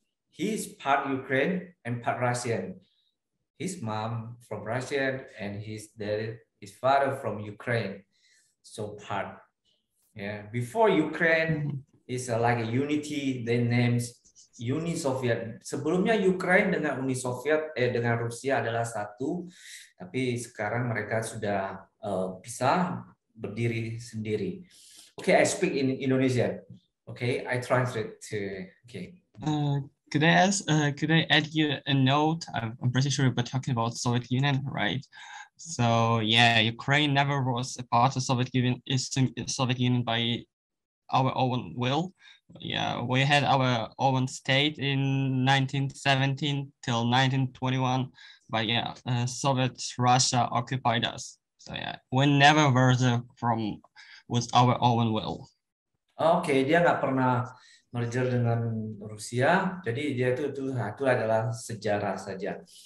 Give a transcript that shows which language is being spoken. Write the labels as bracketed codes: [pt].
[en] He's part Ukraine and part Russian. His mom from Russian and his dad, his father from Ukraine. So part. Yeah, before Ukraine, it's like a unity, then names Uni Soviet. [id] Sebelumnya Ukraine dengan Uni Soviet, dengan Rusia adalah satu, tapi sekarang mereka sudah bisa berdiri sendiri. [en] Okay, I speak in Indonesian. Okay, I translate to, okay. Could I add you a note? I'm pretty sure we're talking about Soviet Union, right? So yeah, Ukraine never was a part of Soviet Union by our own will. Yeah, we had our own state in 1917 till 1921, but yeah, Soviet Russia occupied us. So yeah, we never were there from with our own will. [id] Okay, dia nggak pernah merger dengan Rusia, jadi dia itu adalah sejarah saja.